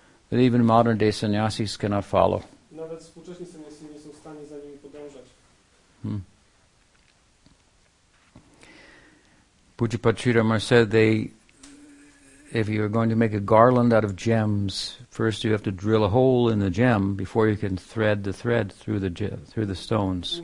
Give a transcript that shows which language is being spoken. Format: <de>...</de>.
<en>That even modern day sannyasis cannot follow.</en> <pl>Nawet współczesni sannyasi nie są w stanie za nimi podążać.</pl> <en>Pujapachirama said they, if you're going to make a garland out of gems, first you have to drill a hole in the gem before you can thread the thread through the stones.</en>